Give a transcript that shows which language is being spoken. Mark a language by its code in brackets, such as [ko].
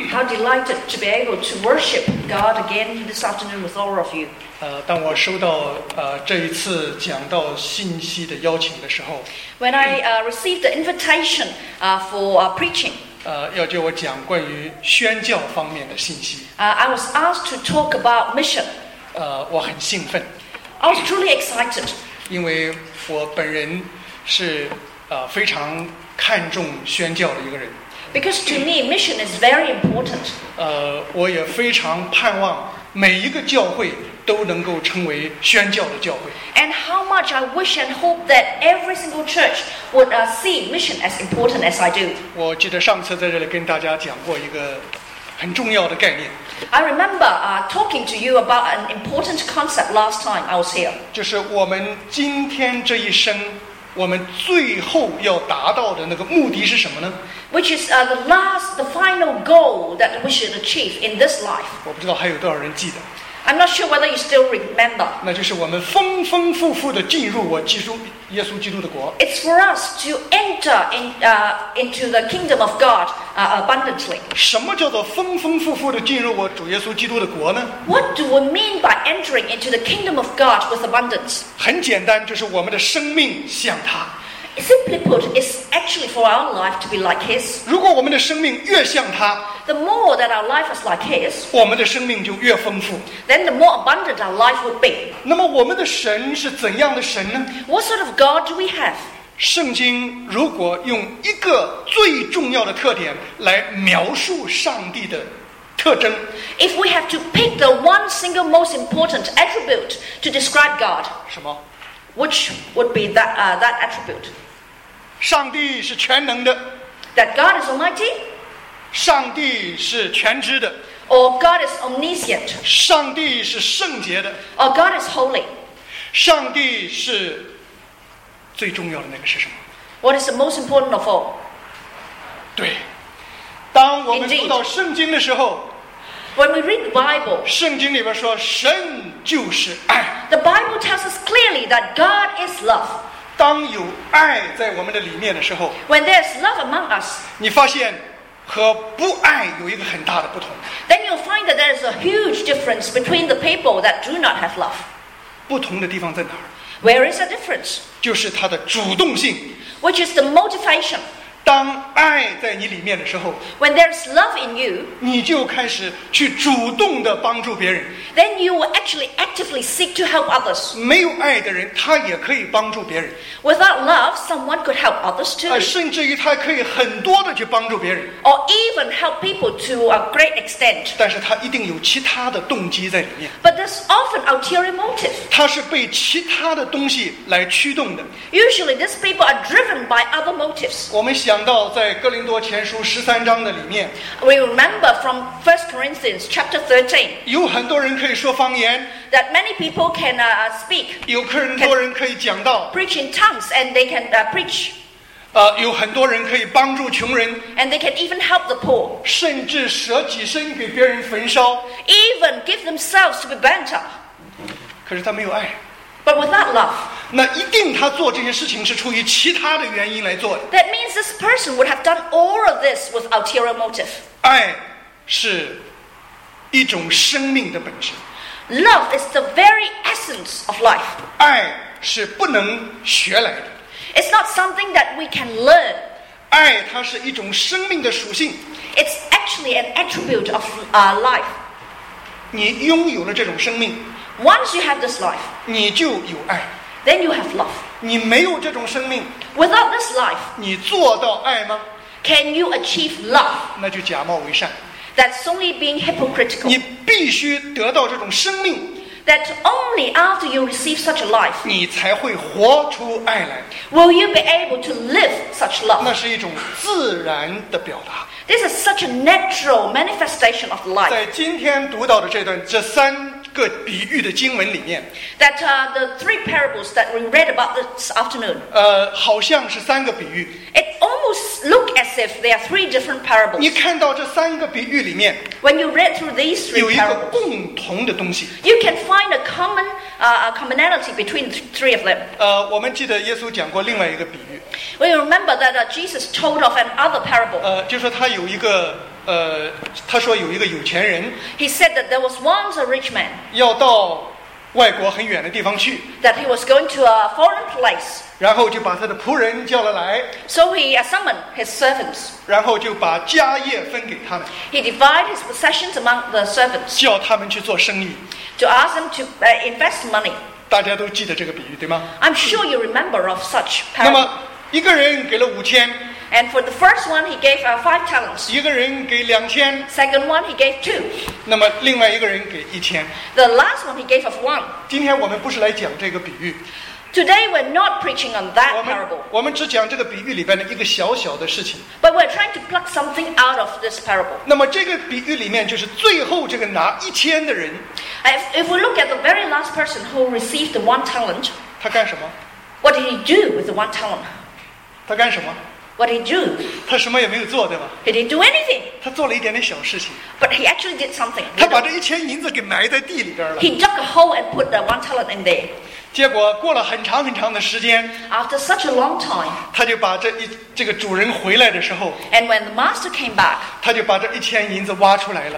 [en] How delighted to be able to worship God again this afternoon with all of you. [zh] 当我收到这一次讲道信息的邀请的时候 [en] ，When I received the invitation for preaching， [zh] 要叫我讲关于宣教方面的信息。 [en] I was asked to talk about mission。 [zh] 我很兴奋。 [en] I was truly excited。 [zh] 因为我本人是非常看重宣教的一个人。 [en] Because to me, mission is very important. [zh] 我也非常盼望每一个教会都能够成为宣教的教会。 [en] And how much I wish and hope that every single church would see mission as important as I do. [zh] 我记得上次在这里跟大家讲过一个很重要的概念。 [en] I remember talking to you about an important concept last time I was here. [zh] 就是我们今天这一生我们最后要达到的那个目的是什么呢？ [en] Which is the final goal that we should achieve in this life. [zh] 我不知道还有多少人记得。 [en] I'm not sure whether you still remember. [zh] 那就是我们丰丰富富的进入我基督耶稣基督的国。 [en] It's for us to enter in into the kingdom of God abundantly. [zh] 什么叫做丰丰富富的进入我主耶稣基督的国呢？ [en] What do we mean by entering into the kingdom of God with abundance? [zh] 很简单，就是我们的生命像他。 [en] Simply put, it's actually for our life to be like His. [zh] 如果我们的生命越像他， [en] the more that our life is like His, [zh] 我们的生命就越丰富。 [en] Then the more abundant our life would be. [zh] 那么我们的神是怎样的神呢？ [en] What sort of God do we have? [zh] 圣经如果用一个最重要的特点来描述上帝的特征， [en] If we have to pick the one single most important attribute to describe God, [zh] 什么？ [en] Which would be that attribute? [zh] 上帝是全能的。 [en] That God is almighty? [zh] 上帝是全知的。 [en] Or God is omniscient? [zh] 上帝是圣洁的。 [en] Or God is holy? [zh] 上帝是最重要的那个是什么？ [en] What is the most important of all? [zh] 对，当我们读到圣经的时候。 [en] When we read the Bible, [zh] 圣经里边说神就是爱。 [en] The Bible tells us clearly that God is love. [zh] 当有爱在我们的里面的时候， [en] When there's love among us, [zh] 你发现和不爱有一个很大的不同。 [en] Then you'll find that there's a huge difference between the people that do not have love. [zh] 不同的地方在哪儿？ [en] Where is the difference? [zh] 就是它的主动性。 [en] Which is the motivation. [zh] 当爱在你里面的时候， [en] When there's love in you, [zh] 你就开始去主动地帮助别人。 [en] Then you will actually actively seek to help others. [zh] 没有爱的人，他也可以帮助别人。 [en] Without love, someone could help others too. [zh] 甚至于他可以很多地去帮助别人。 [en] Or even help people to a great extent. [zh] 但是他一定有其他的动机在里面。 [en] But there's often ulterior motive. [zh] 他是被其他的东西来驱动的。 [en] Usually these people are driven by other motives. [zh] 我们讲到在哥林多前书十三章的里面， [en] We remember from 1 Corinthians chapter 13, [zh] 有很多人可以说方言， [en] that many people can speak, [zh] 有很多人可以讲道， [en] preach in tongues and they can preach, [zh] 有很多人可以帮助穷人， [en] and they can even help the poor, [zh] 甚至舍己身给别人焚烧， [en] even give themselves to be burnt up, [zh] 可是他没有爱。 [en] But without love, [zh] 那一定他做这些事情是出于其他的原因来做的。 [en] That means this person would have done all of this with ulterior motive. [zh] 爱是一种生命的本质。 [en] Love is the very essence of life. [zh] 爱是不能学来的。 [en] It's not something that we can learn. [zh] 爱它是一种生命的属性。 [en] It's actually an attribute of life. [zh] 你拥有了这种生命。 [en] Once you have this life, [zh] 你就有爱。 [en] Then you have love. [zh] 你没有这种生命。 [en] Without this life, [zh] 你做到爱吗？ [en] Can you achieve love? [zh] 那就假冒为善。 [en] That's only being hypocritical. [zh] 你必须得到这种生命。 [en] That only after you receive such a life, [zh] 你才会活出爱来。 [en] Will you be able to live such love? [zh] 那是一种自然的表达。 [en] This is such a natural manifestation of life. [zh] 在今天读到的这段，这三个比喻的经文里面， [en] that the three parables that we read about this afternoon, [zh] 好像是三个比喻。 [en] It almost look as if they are three different parables. [zh] 你看到这三个比喻里面， [en] when you read through these three parables, [zh] 有一个共同的东西。 [en] You can find a common commonality between three of them. [zh] 我们记得耶稣讲过另外一个比喻。 [en] We remember that Jesus told of another parable. [zh] 就说他有一个他说有一个有钱人 [en] He said that there was once a rich man [zh] 要到外国很远的地方去 [en] That he was going to a foreign place [zh] 然后就把他的仆人叫了来 [en] So he summoned his servants [zh] 然后就把家业分给他们 [en] He divided his possessions among the servants [zh] 叫他们去做生意 [en] To ask them to invest money [zh] 大家都记得这个比喻对吗 [en] I'm sure you remember of such parable [zh] 那么一个人给了五千 [en] And for the first one, he gave five talents. [zh] 一个人给两千。 [en] Second one, he gave two. [zh] 那么另外一个人给一千。 [en] The last one, he gave of one. [zh] 今天我们不是来讲这个比喻。 [en] Today, we're not preaching on that parable. [zh] 我们只讲这个比喻里边的一个小小的事情。 [en] But we're trying to pluck something out of this parable. [zh] 那么这个比喻里面就是最后这个拿一千的人。 [en] If we look at the very last person who received the one talent. [zh] 他干什么？ [en] What did he do with the one talent? [zh] 他干什么？ [en] What did he do? [zh] 他什么也没有做，对吧？ [en] He didn't do anything. [zh] 他做了一点点小事情。 [en] But he actually did something. [zh] 他把这一千银子给埋在地里边了。 [en] He dug a hole and put the one talent in there. [zh] 结果过了很长很长的时间。 [en] After such a long time. [zh] 他就把这个主人回来的时候。 [en] And when the master came back. [zh] 他就把这一千银子挖出来了。